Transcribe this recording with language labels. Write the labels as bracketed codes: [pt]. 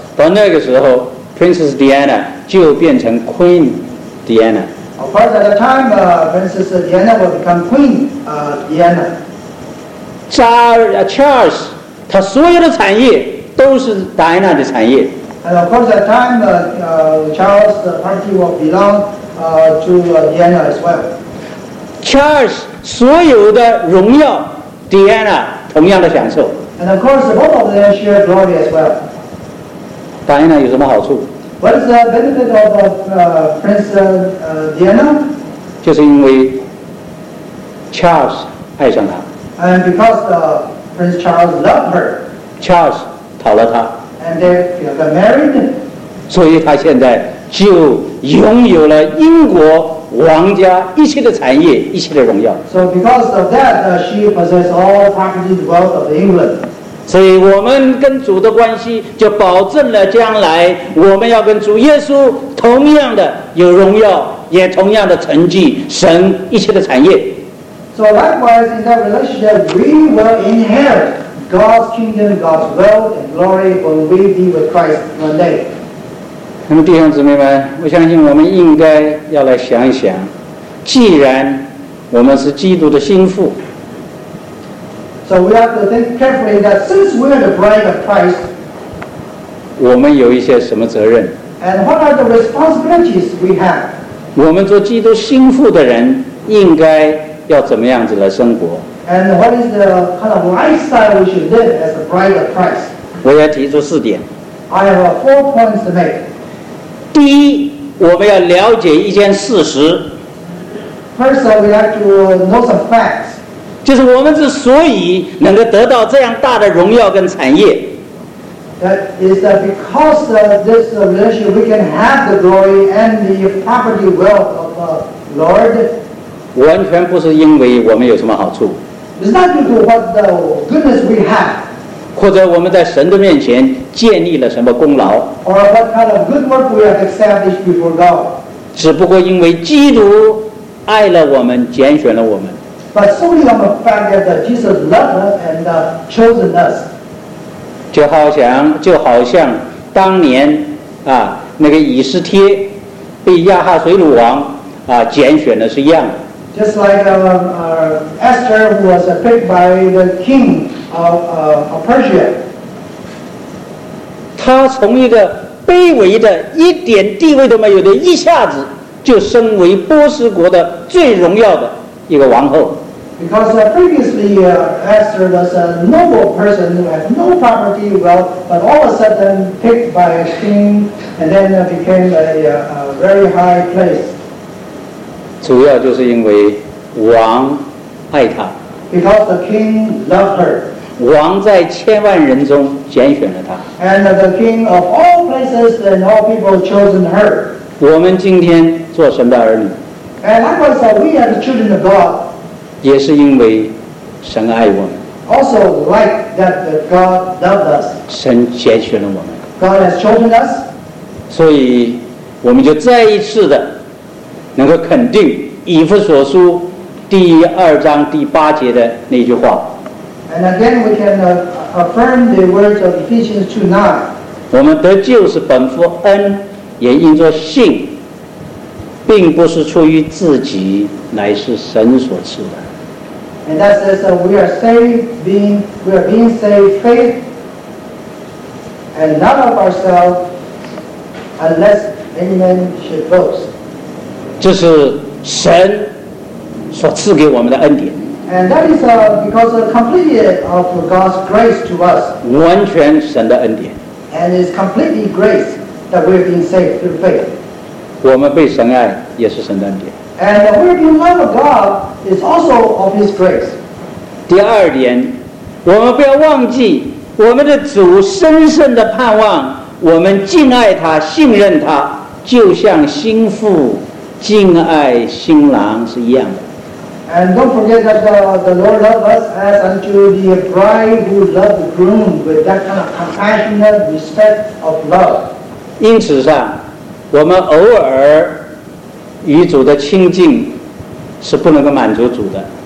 [zh] 到那个时候 ，Princess Diana 就变成 Queen Diana. [en] Of course, at the time, Princess Diana will become Queen Diana. [zh] Charles, 他所有的产业都是 Diana 的产业。 [en] And of course, at the time, Charles' property will belong to Diana as well. [zh] Charles 所有的荣耀 ，Diana 同样的享受。 [en] And of course, both of them share glory as well. [zh] Diana 有什么好处 [en] ？What is the benefit of Princess Diana? [zh] 就是因为 Charles 爱上她。 [en] And because Prince Charles loved her. [zh] Charles 讨了她。 [en] And they got married. [zh] 所以她现在就拥有了英国王家一切的产业，一切的荣耀。 [en] So because of that, she possessed all property and wealth of England. [zh] 所以我们跟主的关系就保证了将来我们要跟主耶稣同样的有荣耀，也同样的成绩，神一切的产业。 [en] So likewise, in that relationship, we will inherit God's kingdom, God's wealth and glory when we be with Christ one day. [zh] 那么弟兄姊妹们，我相信我们应该要来想一想，既然我们是基督的心腹， [en] so we have to think carefully that since we are the bride of Christ, [zh] 我们有一些什么责任？ [en] And what are the responsibilities we have? [zh] 我们做基督心腹的人应该要怎么样子来生活？ [en] And what is the kind of lifestyle we should live as the bride of Christ? [zh] 我要提出四点。 [en] I have four points to make. [zh] 第一，我们要了解一件事实。 [en] First, we have to know some facts. [zh] 就是我们之所以能够得到这样大的荣耀跟产业。 [en] That is that because of this relationship, we can have the glory and the property wealth of the Lord. [zh] 完全不是因为我们有什么好处。 [en] It's not due to what the goodness we have. [zh] 或者我们在神的面前建立了什么功劳？ [en] Or what kind of good work we have established before God? [zh] 只不过因为基督爱了我们，拣选了我们。 [en] But solely on the fact that Jesus loved us and chosen us. [zh] 就好像当年啊，那个以斯帖被亚哈水鲁王啊拣选的是一样的。 [en] Just like Esther who was picked by the king. Of Persia. [zh] 他从一个卑微的一点地位都没有的，一下子就升为波斯国的最荣耀的一个王后。 [en] Because previously Esther was a noble person who had no property, well, but all of a sudden picked by a king and then became a very high place. [zh] 主要就是因为王爱她。 [en] Because the king loved her. [zh] 王在千万人中拣选了他。 [en] And the king of all places and all people chosen her. [zh] 我们今天做神的儿女。 [en] And likewise, we are the children of God. [zh] 也是因为神爱我们。 [en] Also, like that God loved us. [zh] 神拣选了我们。 [en] God has chosen us. [zh] 所以，我们就再一次的能够肯定以弗所书第二章第八节的那句话。 [en] And again, we can affirm the words of Ephesians 2:9. [zh] 我们得救是本乎恩，也因着信，并不是出于自己，乃是神所赐的。 [en] And that says that we are saved, we are being saved faith, and not of ourselves, unless any man should boast. [zh] 这是神所赐给我们的恩典。 [en] And that is because of completely of God's grace to us. [zh] 完全神的恩典。 [en] And it's completely grace that we're being saved through faith. [zh] 我们被神爱也是神的恩典。 [en] And we're being loved of God is also of His grace. [zh] 第二点，我们不要忘记我们的主深深的盼望我们敬爱他、信任他，就像心腹敬爱新郎是一样的。 [en] And don't forget that the Lord loved us as unto the bride who loved the groom with that kind of compassionate respect of love. [zh] 因此上，我们偶尔与主的亲近是不能够满足主的。